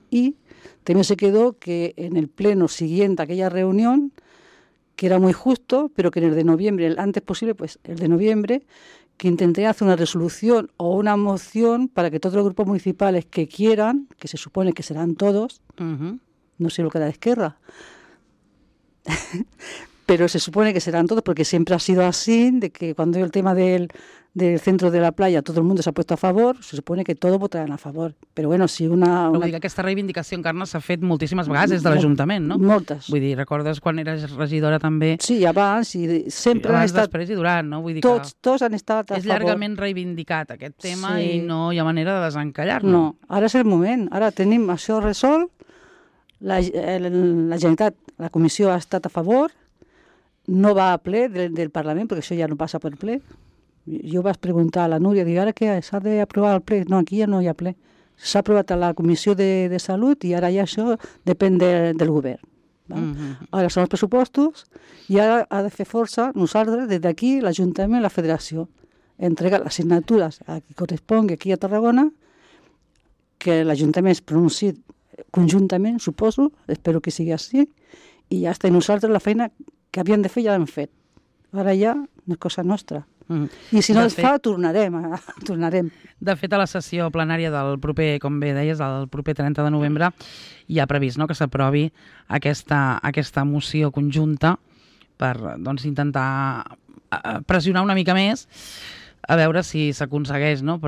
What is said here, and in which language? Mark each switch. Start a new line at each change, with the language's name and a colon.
Spanish: Y también se quedó que en el pleno siguiente a aquella reunión, que era muy justo, pero que en el de noviembre, el antes posible, pues el de noviembre, que intenté hacer una resolución o una moción para que todos los grupos municipales que quieran, que se supone que serán todos, no sé lo que era de Esquerra, pero se supone que serán todos, porque siempre ha sido así, de que cuando el tema del centro de la playa todo el mundo se ha puesto a favor, se supone que todos votarán a favor. Pero bueno, si una...
Catalan: Aquesta reivindicació, Carme, s'ha fet moltíssimes vegades des de l'Ajuntament, no? Moltes. Vull dir, recordes quan eres regidora també? Sí, abans, i sempre abans, han estat... després i durant, no? Vull dir tots, que... tots han estat a favor. És llargament reivindicat aquest tema, sí. I no hi ha manera de desencallar-lo. No, ara és el moment. Ara tenim això resolt, la Generalitat, la comissió ha estat a favor, no va a ple del Parlament, perquè això ja no passa per ple,
Spanish: Yo vas a preguntar a la Nuria, digo, ¿ahora qué? ¿Se ha de aprobar el PLE? No, aquí ya no hay PLE. Se ha aprobado la Comisión de Salud y ahora ya eso depende del gobierno. Uh-huh. Ahora son los presupuestos y ahora ha de hacer fuerza, nosotros, desde aquí, el Ayuntamiento y la Federación, entregar las asignaturas a que corresponde aquí a Tarragona, que el Ayuntamiento se pronuncie conjuntamente, supongo, espero que siga así, y ya está en nosotros la feina que habían de fe ya en fe. Ahora ya no es cosa nuestra.
Catalan: I si no es fa, tornarem. De fet, a la sessió plenària del proper, com bé deies, el proper 30 de novembre, hi ha previst, no?, que s'aprovi aquesta moció conjunta per, doncs, intentar pressionar una mica més a veure si s'aconsegueix, no?